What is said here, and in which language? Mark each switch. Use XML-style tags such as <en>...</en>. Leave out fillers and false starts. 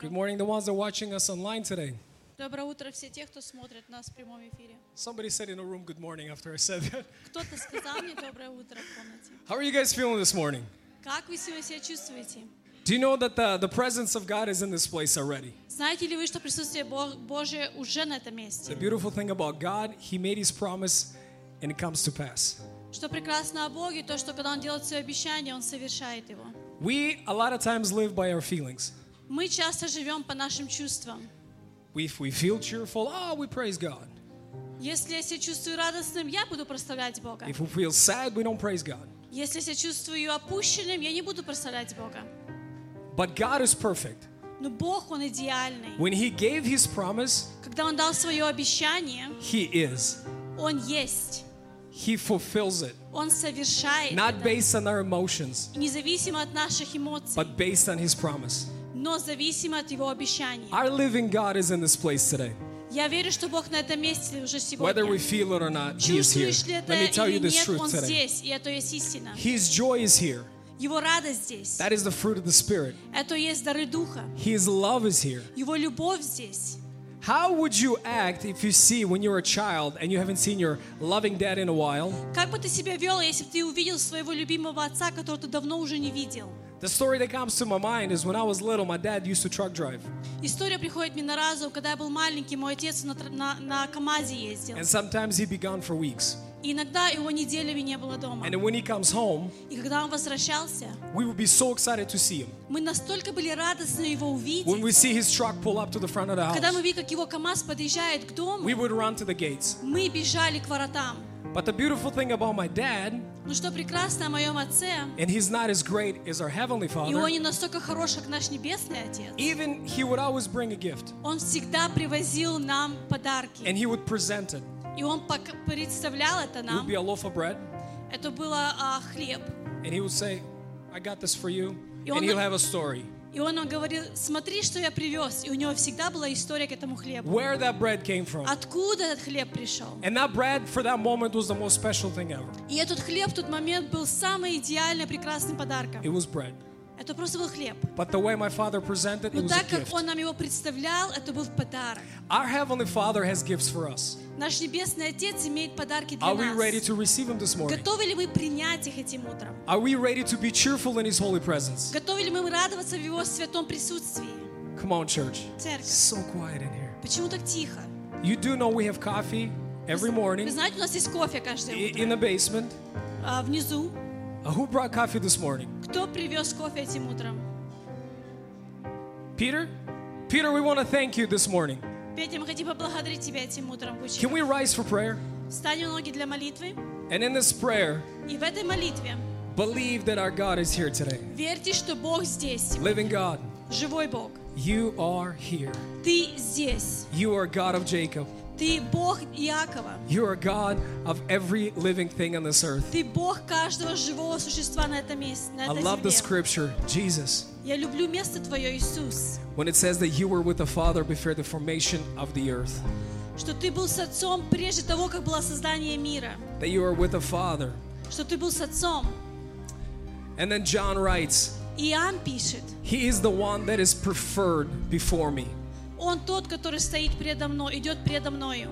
<en>Good morning, the ones that are watching us online today.</en> <ru>Доброе утро, все те, кто смотрит нас в прямом эфире.</ru> <en>Somebody said in a room, "Good morning." After I said that.</en> <ru>Кто-то сказал мне доброе утро в комнате.</ru> <en>How are you guys feeling this morning?</en> <ru>Как вы сегодня себя чувствуете?</ru> <en>Do you know that the presence of God is in this place already?</en> <ru>Знаете ли вы, что присутствие Божье уже на этом месте?</ru> <en>The beautiful thing about God, He made His promise, and it comes to pass.</en> <ru>Что прекрасно о Боге, то, что когда Он делает свое обещание, Он совершает его.</ru> <en>We a lot of times live by our feelings.</en> <ru>Мы часто живем по нашим чувствам.</ru> <en>If we feel cheerful, oh, we praise God.</en> <ru>Если я себя чувствую радостным, я буду прославлять Бога.</ru> <en>If we feel sad, we don't praise God.</en> <ru>Если я себя чувствую опущенным, я не буду прославлять Бога.</ru> <en>But God is perfect.</en> <ru>Но Бог, Он идеальный.</ru> <en>When He gave His promise,</en> <ru>когда Он дал свое обещание,</ru> <en>He is.</en> <ru>Он есть.</ru> <en>He fulfills it.</en> <ru>Он совершает.</ru> <en>Not based on our emotions.</en> <ru>Независимо от наших эмоций.</ru> <en>But based on His promise.</en> <ru>Но зависимо от Его обещания.</ru> <en>Our living God is in this place today.</en> <ru>Я верю, что Бог на этом месте уже сегодня.</ru> <en>Whether we feel it or not, He is here. Let me tell you this truth today.</en> <ru>Здесь, и это есть истина.</ru> <en>His joy is here.</en> <ru>Его радость здесь.</ru> <en>That is the fruit of the Spirit.</en> <ru>Это есть дары Духа.</ru> <en>His love is here.</en> <ru>Его любовь здесь.</ru> <en>How would you act if you see when you're a child and you haven't seen your loving dad in a while?</en> <ru>Как бы ты себя вёл, если бы ты увидел своего любимого отца, которого ты давно уже не видел?</ru> <en>The story that comes to my mind is when I was little, my dad used to truck drive.</en> <ru>История приходит мне на разум, когда я был маленький, мой отец на КамАЗе ездил.</ru> <en>And sometimes he'd be gone for weeks.</en> <ru>Иногда его неделями не было дома.</ru> <en>And when he comes home,</en> <ru>и когда он возвращался,</ru> <en>we would be so excited to see him.</en> <ru>Мы настолько были радостны его увидеть.</ru> <en>When we see his truck pull up to the front of the house,</en> <ru>когда мы видели, как его КамАЗ подъезжает к дому,</ru> <en>we would run to the gates.</en> <ru>Мы бежали к воротам.</ru> <en>But the beautiful thing about my dad,</en> <ru>ну что прекрасно о моем отце,</ru> <en>and he's not as great as our heavenly father,</en> <ru>и он не настолько хорош, как наш небесный отец,</ru> <en>even he would always bring a gift.</en> <ru>Он всегда привозил нам подарки.</ru> <en>And he would present it.</en> <ru>И он представлял это нам.</ru> <en>It would be a loaf of bread.</en> <ru>Это было хлеб.</ru> <en>And he would say, "I got this for you." And he'll have a story.</en> <ru>И он говорил: "Смотри, что я привез." И у него всегда была история к этому хлебу.</ru> <en>Where that bread came from?</en> <ru>Откуда этот хлеб пришел?</ru> <en>And that bread for that moment was the most special thing ever.</en> <ru>И этот хлеб в тот момент был самым идеальным, прекрасным подарком.</ru> <en>It was bread.</en> <ru>Это просто был хлеб.</ru> <en>But the way my father presented it was a gift.</en> <ru>Но так как он нам его представлял, это был подарок.</ru> <en>Our heavenly Father has gifts for us.</en> <ru>Наш небесный отец имеет подарки для</ru> <en>Are we</en> <ru>нас.</ru> <en>Ready to receive him this morning?</en> <ru>Готовы ли мы принять их этим утром?</ru> <en>Are we ready to be cheerful in his holy presence?</en> <ru>Готовы ли мы радоваться в его святом присутствии?</ru> <en>Come on, church.</en> <ru>Церковь.</ru> <en>So quiet in here.</en> <ru>Почему так тихо?</ru> <en>You do know we have coffee every morning.</en> <ru>Вы знаете, у нас есть кофе каждое утро.</ru> <en>In the basement.</en> <ru>Внизу.</ru> <en>Who brought coffee this morning?</en> <ru>Кто привез кофе этим утром?</ru> <en>Peter? Peter, we want to thank you this morning.</en> <ru>Петя, мы хотим поблагодарить тебя этим утром.</ru> <en>Can we rise for prayer?</en> <ru>Встанем ноги для молитвы.</ru> <en>And in this prayer,</en> <ru>и в этой молитве,</ru> <en>believe that our God is here today.</en> <ru>Верьте, что Бог здесь.</ru> <en>Living God.</en> <ru>Живой Бог.</ru> <en>You are here.</en> <ru>Ты здесь.</ru> <en>You are God of Jacob.</en> <ru>Ты Бог Иакова.</ru> <en>You are God of every living thing on this earth.</en> <ru>Ты Бог каждого живого существа на этом месте, на этой земле.</ru> <en>I love the scripture, Jesus.</en> <ru>Я люблю место твое, Иисус.</ru> <en>When it says that you were with the Father before the formation of the earth.</en> <ru>Что ты был с отцом прежде того, как было создание мира.</ru> <en>That you are with the Father.</en> <ru>Что ты был с отцом.</ru> <en>And then John writes,</en> <ru>Иоанн пишет,</ru> <en>He is the one that is preferred before me.</en> <ru>Он тот, который стоит предо мной, идет предо мною.</ru>